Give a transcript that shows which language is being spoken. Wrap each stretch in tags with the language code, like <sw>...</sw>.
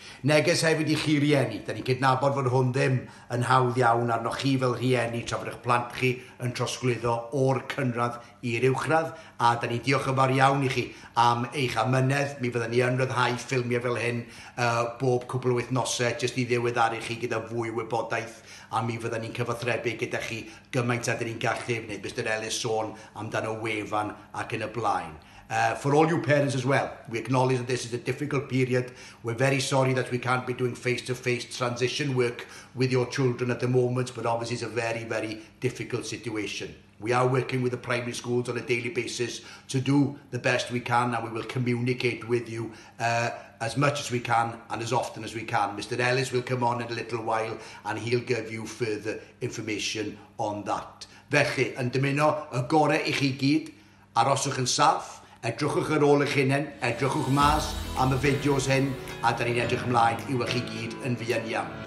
<cy>Neges hefyd i chi rieni, da ni'n cydnabod fod hwn ddim yn hawdd iawn arnoch chi fel rieni tra fod eich plant chi yn trosglwyddo o'r cynradd i'r uwchradd a da ni'n diolch yn fawr iawn i chi am eich amynedd, mi fyddwn ni yn rhyddhau ffilmiau fel hyn bob cwbl o wythnosau jyst i ddiweddaru chi gyda fwy wybodaeth a mi fyddwn ni'n cyfathrebu gyda chi gymaint a da ni'n gallu wneud Mr Ellis sôn amdano wefan ac yn y blaen.</cy> <en>For all you parents as well, we acknowledge that this is a difficult period. We're very sorry that we can't be doing face-to-face transition work with your children at the moment, but obviously it's a very, very difficult situation. We are working with the primary schools on a daily basis to do the best we can, and we will communicate with you as much as we can and as often as we can. Mr Ellis will come on in a little while, and he'll give you further information on that.</en> <cy>Felly, yn dymuno y gorau i chi gyd, aroswch yn saff, edrychwch ar ôl eich hunain, edrychwch mas am y fideos hyn a da ni'n edrych ymlaen i weld chi gyd yn fuan iawn.</cy>